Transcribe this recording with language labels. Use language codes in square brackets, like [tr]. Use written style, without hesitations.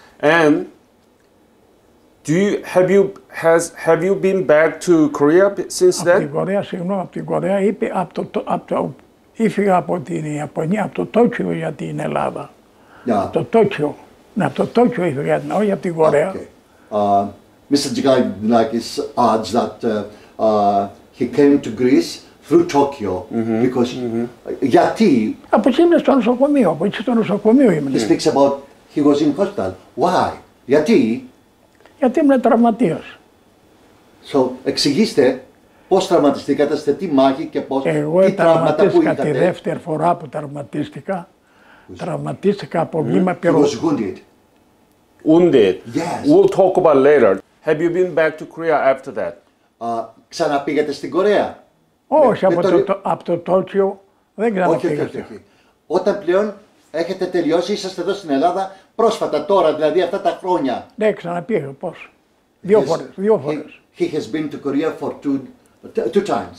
[en] And have you been back to Korea since then? [el] Από την Κορέα, συγγνώμη, από την Κορέα, είπε ήφυγα από την Ιαπωνία, από το Τόκιο για την Ελλάδα. Το Τόκιο. Να το Τόκιο ήθελε για την Ελλάδα, όχι από την Κορέα. [en] Mr. Tsikandilakis adds that he came to Greece through Tokyo because [el] γιατί. Από εκεί ήμουν στο νοσοκομείο, από εκεί στο νοσοκομείο ήμουν. [en] He speaks about he was in hospital. Why? [el] Γιατί. Γιατί ήμουν τραυματίας. So, εξηγήστε πώς τραυματιστήκατε, σε τι μάχη και πώς. Εγώ τι τραυματίστηκα τη δεύτερη φορά που τραυματίστηκα. Τραυματίστηκα από βήμα πυρός. [en] He was wounded. Wounded? Yes. We'll talk about later. Have you been back to Korea after that? [el] Ξαναπήγατε στην Κορέα. Όχι, από το Τόκιο Δεν ξέρω. Όχι, όχι, όχι, όχι. Όταν πλέον έχετε τελειώσει, είσαστε εδώ στην Ελλάδα πρόσφατα, τώρα δηλαδή αυτά τα χρόνια. Ναι, ξαναπήγα πώς. Δύο φορές. Δύο φορές. [en] He has been to Korea for two times.